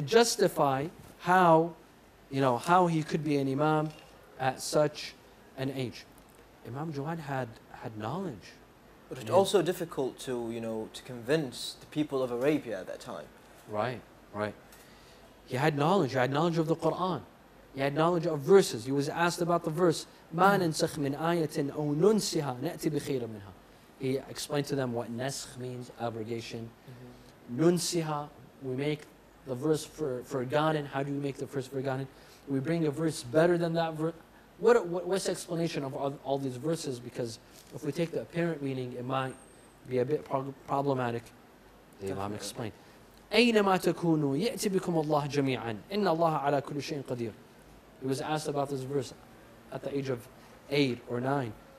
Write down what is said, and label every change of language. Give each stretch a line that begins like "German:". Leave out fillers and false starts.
English: To justify how he could be an imam at such an age. Imam Jawad had knowledge. But it's also difficult to convince the people of Arabia at that time. Right. He had knowledge. He had knowledge of the Quran. He had knowledge of verses. He was asked about the verse,
Arabic: ما ننسخ من آية أو ننسها نأتي بخير منها.
English: He explained to them what نسخ means, abrogation. ننسها, we make the verse forgotten. How do we make the verse forgotten? We bring a verse better than that verse. What's the explanation of all these verses? Because if we take the apparent meaning, it might be a bit problematic. The Imam explained.
Arabic: أَيْنَمَا تَكُونُوا يَأْتِ بِكُمُ اللَّهُ جَمِيعًا إِنَّ اللَّهَ عَلَى كُلُّ شَيْءٍ قَدِيرٌ.
English: He was asked about this verse at the age of 8 or 9.